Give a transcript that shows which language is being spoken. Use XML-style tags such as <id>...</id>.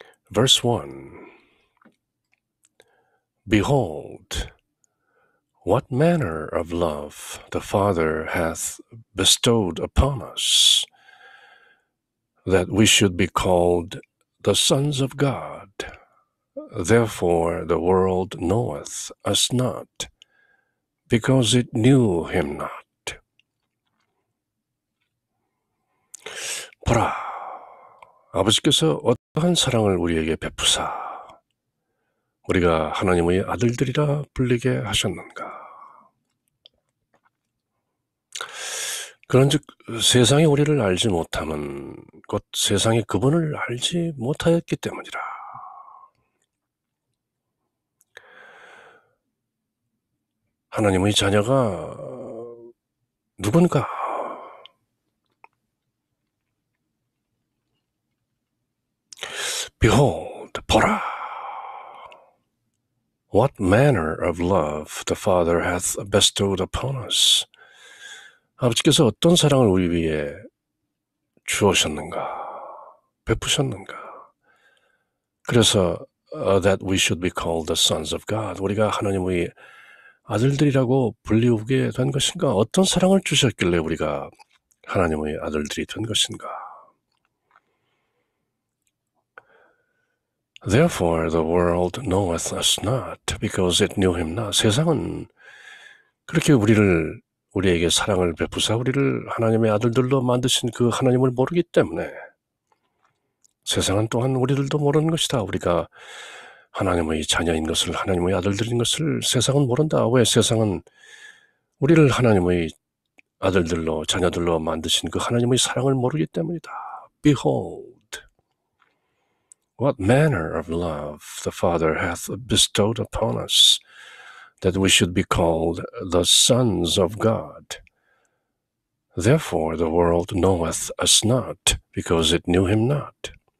<en>Verse 1 Behold, what manner of love the Father hath bestowed upon us, that we should be called the sons of God. Therefore the world knoweth us not, because it knew him not.</en> <ko>보라, 아버지께서 어떠한 사랑을 우리에게 베푸사, 우리가 하나님의 아들들이라 불리게 하셨는가. 그런즉 세상이 우리를 알지 못함은 곧 세상이 그분을 알지 못하였기 때문이라. 하나님의 자녀가 누군가?</ko> <en>'Behold,</en> <ko>보라!</ko> <en>What manner of love the Father hath bestowed upon us?'</en> <ko>아버지께서 어떤 사랑을 우리 위해 주셨는가? 베푸셨는가?</ko> <en>그래서 that we should be called the sons of God.</en> <ko>우리가 하나님의 아들들이라고 불리우게 된 것인가? 어떤 사랑을 주셨길래 우리가 하나님의 아들들이 된 것인가?</ko> <en>Therefore the world knoweth us not, because it knew him not.</en> <ko>세상은 그렇게 우리에게 사랑을 베푸사 우리를 하나님의 아들들로 만드신 그 하나님을 모르기 때문에 세상은 또한 우리들도 모르는 것이다. 우리가 하나님의 자녀인 것을, 하나님의 아들들인 것을 세상은 모른다. 왜 세상은 우리를 하나님의 아들들로, 자녀들로 만드신 그 하나님의 사랑을 모르기 때문이다.</ko> <en>Behold, what manner of love the Father hath bestowed upon us, that we should be called the sons of God. Therefore the world knoweth us not, because it knew him not.</en>